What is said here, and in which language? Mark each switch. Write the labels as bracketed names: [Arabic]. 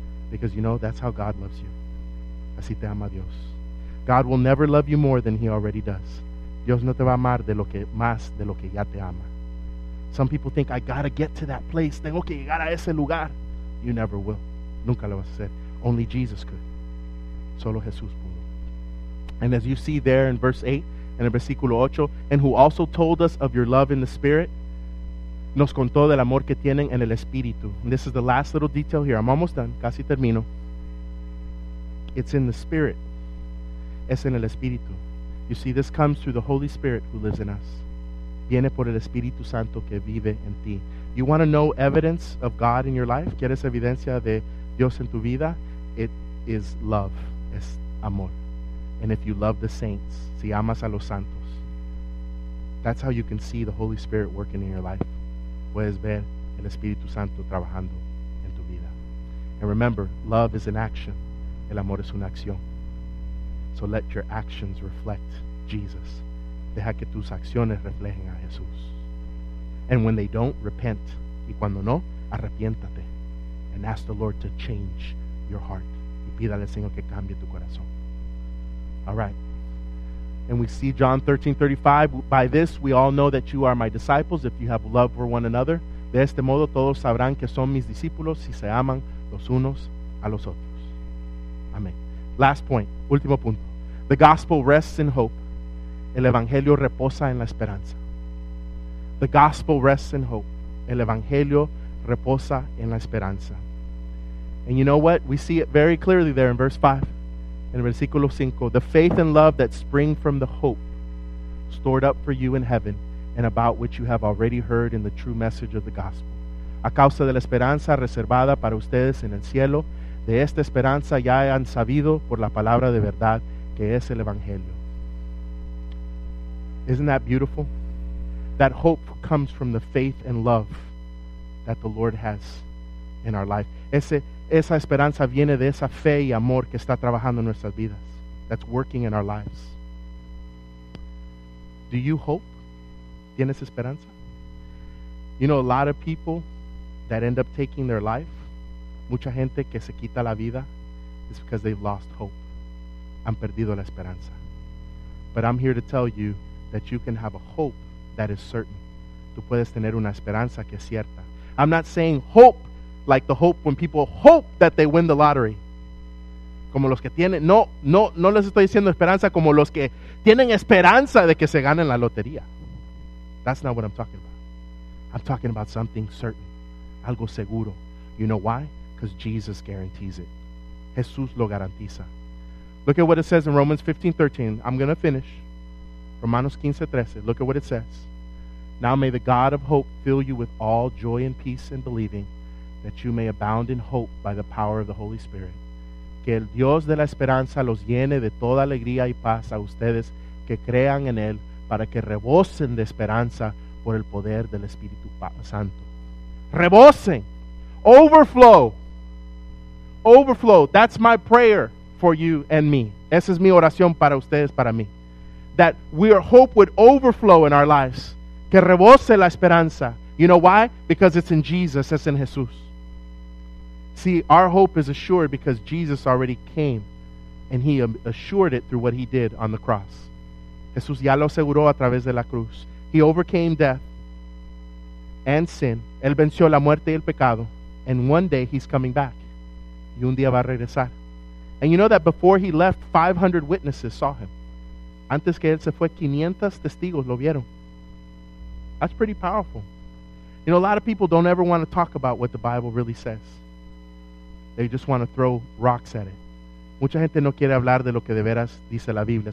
[English] Because you know, that's how God loves you. [Spanish] Así te ama Dios. [English] God will never love you more than he already does. [Spanish] Dios no te va a amar de lo que más de lo que ya te ama. [English] Some people think, I gotta get to that place. [Spanish] Tengo que llegar a ese lugar. [English] You never will. [Spanish] Nunca lo vas a hacer. [English] Only Jesus could. [Spanish] Solo Jesús pudo. [English] And as you see there in verse 8 and in versículo 8, and who also told us of your love in the Spirit, [Spanish] nos contó del amor que tienen en el Espíritu. [English] And this is the last little detail here. I'm almost done. [Spanish] Casi termino. [English] It's in the Spirit. [Spanish] Es en el Espíritu. [English] You see, this comes through the Holy Spirit who lives in us. [Spanish] Viene por el Espíritu Santo que vive en ti. [English] You want to know evidence of God in your life? [Spanish] ¿Quieres evidencia de Dios en tu vida? [English] It is love. [Spanish] Es amor. [English] And if you love the saints, [Spanish] si amas a los santos, [English] that's how you can see the Holy Spirit working in your life. [Spanish] Puedes ver el Espíritu Santo trabajando en tu vida. [English] And remember, love is an action. [Spanish] El amor es una acción. [English] So let your actions reflect Jesus. [Spanish] Deja que tus acciones reflejen a Jesús. [English] And when they don't, repent. [Spanish] Y cuando no, arrepiéntate. [English] And ask the Lord to change your heart. [Spanish] Y pídale al Señor que cambie tu corazón. [English] All right. And we see John 13:35. By this we all know that you are my disciples if you have love for one another. [Spanish] De este modo todos sabrán que son mis discípulos si se aman los unos a los otros. [English] Amén. Last point. [Spanish] Último punto. [English] The gospel rests in hope. [Spanish] El evangelio reposa en la esperanza. [English] The gospel rests in hope. [Spanish] El evangelio reposa en la esperanza. [English] And you know what? We see it very clearly there in verse 5. In versículo 5, the faith and love that spring from the hope stored up for you in heaven and about which you have already heard in the true message of the gospel. [Spanish] A causa de la esperanza reservada para ustedes en el cielo, de esta esperanza ya han sabido por la palabra de verdad que es el evangelio. [English] Isn't that beautiful? That hope comes from the faith and love that the Lord has in our life. [Spanish] Esa esperanza viene de esa fe y amor que está trabajando en nuestras vidas. [English] That's working in our lives. Do you hope? [Spanish] ¿Tienes esperanza? [English] You know, a lot of people that end up taking their life, [Spanish] mucha gente que se quita la vida, [English] is because they've lost hope. [Spanish] Han perdido la esperanza. [English] But I'm here to tell you that you can have a hope that is certain. [Spanish] Tú puedes tener una esperanza que es cierta. [English] I'm not saying hope like the hope when people hope that they win the lottery. [Spanish] Como los que tienen, no les estoy diciendo esperanza como los que tienen esperanza de que se ganen la lotería. [English] That's not what I'm talking about. I'm talking about something certain, [Spanish] algo seguro. [English] You know why? Because Jesus guarantees it. [Spanish] Jesús lo garantiza. [English] Look at what it says in Romans 15:13. I'm going to finish. Romanos 15:13. Look at what it says. Now may the God of hope fill you with all joy and peace in believing, that you may abound in hope by the power of the Holy Spirit. [Spanish] Que el Dios de la esperanza los llene de toda alegría y paz a ustedes que crean en él para que rebosen de esperanza por el poder del Espíritu Santo. Rebosen. [English] Overflow. Overflow. That's my prayer for you and me. [Spanish] Esa es mi oración para ustedes, para mí. [English] That our hope would overflow in our lives. [Spanish] Que rebose la esperanza. [English] You know why? Because it's in Jesus. It's in Jesús. See, our hope is assured because Jesus already came and he assured it through what he did on the cross. [Spanish] Jesús ya lo aseguró a través de la cruz. [English] He overcame death and sin. [Spanish] Él venció la muerte y el pecado. [English] And one day he's coming back. [Spanish] Y un día va a regresar. [English] And you know that before he left, 500 witnesses saw him. [Spanish] Antes que él se fue, 500 testigos lo vieron. [English] That's pretty powerful. You know, a lot of people don't ever want to talk about what the Bible really says. They just want to throw rocks at it. [Spanish] Mucha gente no quiere hablar de lo que de veras dice la Biblia.